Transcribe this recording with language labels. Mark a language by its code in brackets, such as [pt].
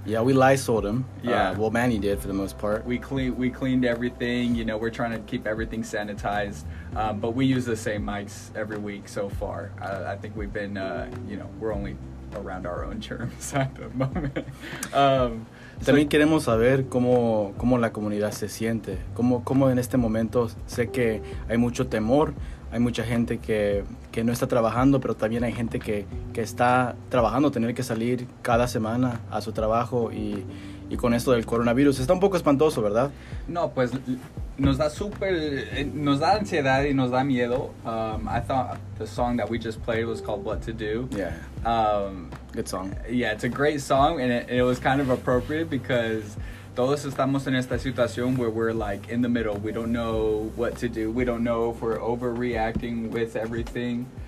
[en] Yeah, we Lysoled them. Yeah, well, Manny did for the most part. We cleaned everything. You know, we're trying to keep everything sanitized, but we use the same mics every week so far. I think we've been we're only around our own terms at the moment. [es] También queremos saber cómo la comunidad se siente, cómo en este momento. Sé que hay mucho temor. Hay mucha gente que no está trabajando, pero también hay gente que está trabajando, tener que salir cada semana a su trabajo y con esto del coronavirus. Está un poco espantoso, ¿verdad? No, pues nos da ansiedad y nos da miedo. [en] I thought the song that we just played was called What to Do. Yeah. Good song. Yeah, it's a great song, and it was kind of appropriate because [es] todos estamos en esta situación [en] where we're like in the middle. We don't know what to do. We don't know if we're overreacting with everything.